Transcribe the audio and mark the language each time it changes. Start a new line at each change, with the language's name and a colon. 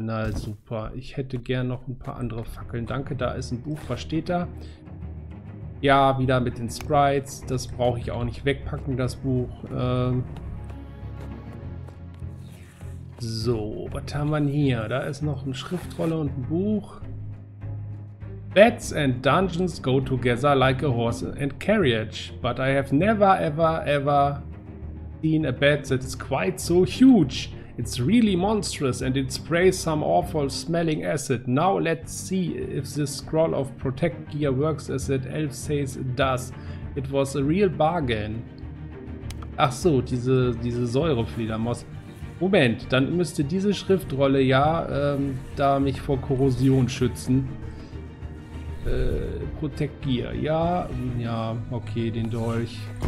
German: Na super, ich hätte gern noch ein paar andere Fackeln. Danke, da ist ein Buch, was steht da? Ja, wieder mit den Sprites. Das brauche ich auch nicht wegpacken, das Buch. So, was haben wir hier? Da ist noch eine Schriftrolle und ein Buch.
English: Beds and dungeons go together like a horse and carriage. But I have never ever ever seen a bed that is quite so huge. It's really monstrous and it sprays some awful smelling acid. Now let's see if this scroll of protect gear works as it elf says it does. It was a real bargain.
German: Ach so, diese Säurefledermaus. Moment, dann müsste diese Schriftrolle ja da mich vor Korrosion schützen. Protect gear, ja, ja, okay, den Dolch.